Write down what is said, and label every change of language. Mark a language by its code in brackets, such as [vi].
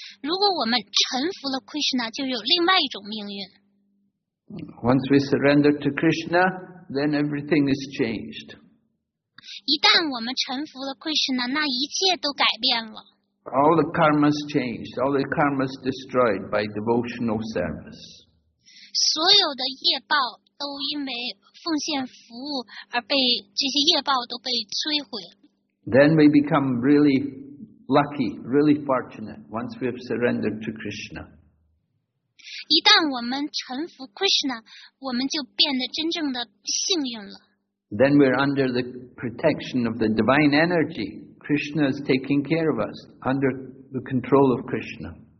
[zh] 如果我们臣服了 Krishna, 就有另外一种命运。 [en] Once we surrender to Krishna, then everything is changed. [zh] 一旦我们臣服了 Krishna, 那一切都改变了。 [en] All the karmas changed, all the karmas destroyed by devotional service. [zh] 所有的业报都因为奉献服务而被这些业报都被摧毁了。 [en] Then we become really lucky, really fortunate once we have surrendered to Krishna. [zh] 一旦我们臣服 Krishna, 我们就变得真正的幸运了。 [en] Then we're under the protection of the divine energy. Krishna is taking care of us, under the control of Krishna.